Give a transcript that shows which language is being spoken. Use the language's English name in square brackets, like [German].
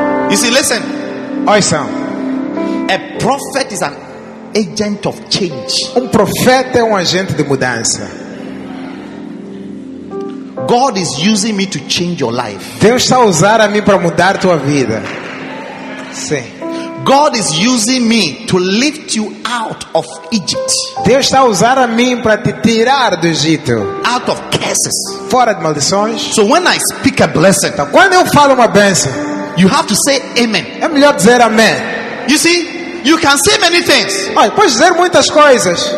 [English] You see, listen. [Portuguese] Oi, Sam. [English] A prophet is an agent of change. [Portuguese] Profeta é agente de mudança. [English] God is using me to change your life. [Portuguese] Deus está usando a mim para mudar tua vida. Sim. [English] God is using me to lift you out of Egypt. [Portuguese] Deus está a usar a mim para te tirar do Egito. [English] Out of curses. [Portuguese] Fora de maldições. [English] So when I speak a blessing, [Portuguese] então, quando eu falo uma bênção, [English] you have to say amen. [Portuguese] É melhor dizer amém. [English] You see, you can say many things. [Portuguese] Ah, pode dizer muitas coisas.